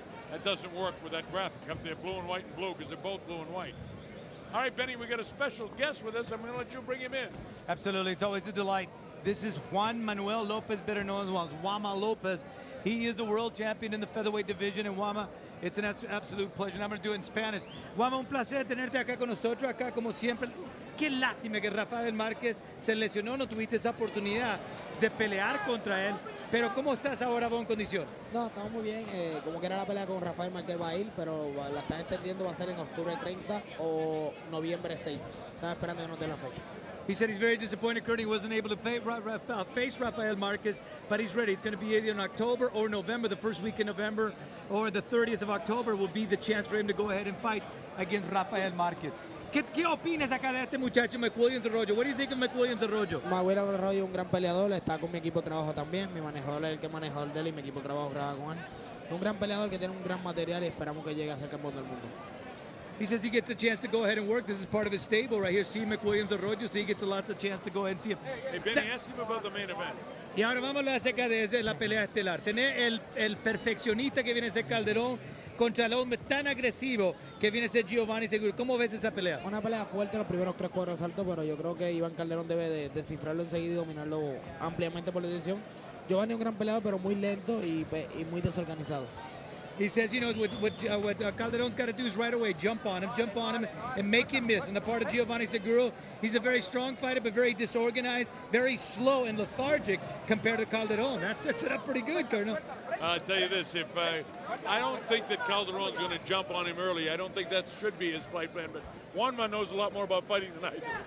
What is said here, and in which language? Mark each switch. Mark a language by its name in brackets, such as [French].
[English] That doesn't work with that graphic up there, blue and white and blue, because they're both blue and white. All right, Benny, we got a special guest with us. I'm going to let you bring him in. Absolutely. It's always a delight. This is Juan Manuel Lopez, better known as Wama Lopez. He is a world champion in the featherweight division. And Wama, it's an absolute pleasure. And I'm going to do it in Spanish. [Spanish] Wama, un placer tenerte acá con nosotros, acá como siempre. Qué lástima que Rafael Márquez se lesionó. No tuviste esa oportunidad de pelear contra él. Pero ¿cómo estás ahora vos en condición? No, estamos muy bien. Como que era la pelea con Rafael Márquez va a ir, pero la están entendiendo va a ser en octubre 30 o noviembre 6. Estaba esperando que nos den la fecha. [English] He said he's very disappointed, Kurt. He wasn't able to face Rafael Márquez, but he's ready. It's going to be either in October or November, the first week in November, or the 30th of October will be the chance for him to go ahead and fight against Rafael Márquez. [Spanish] ¿Qué opinas acá de este muchacho, McWilliams Arroyo? [English] What do you think of McWilliams Arroyo? [Spanish] McWilliams Arroyo es un gran peleador. Está con mi equipo de trabajo también. Mi manejador es el que manejó el de él y mi equipo de trabajo trabaja con él. Un gran peleador que tiene un gran material y esperamos que llegue a ser campeón del mundo. [English] He says he gets a chance to go ahead and work. This is part of his stable right here. See McWilliams Arroyo, so he gets a lot of chance to go ahead and see him. Hey, Benny, ask him about the main event. [Spanish] Y ahora vamos a hablar acerca de esa, la pelea estelar. Tener el perfeccionista que viene a ser Calderón contra el hombre tan agresivo que viene a ser Jiovanne Seguro. ¿Cómo ves esa pelea? Una pelea fuerte los primeros 3-4 asaltos, pero yo creo que Iván Calderón debe de descifrarlo enseguida y dominarlo ampliamente por la decisión. Jiovanne es un gran peleador, pero muy lento y muy desorganizado. [English] He says, you know, what Calderón's got to do is right away jump on him, and make him miss. On the part of Jiovanne Seguro, he's a very strong fighter, but very disorganized, very slow and lethargic compared to Calderón. That sets it up pretty good, Colonel. I'll tell you this. I don't think that Calderón's going to jump on him early. I don't think that should be his fight plan, but Juanma knows a lot more about fighting than I do.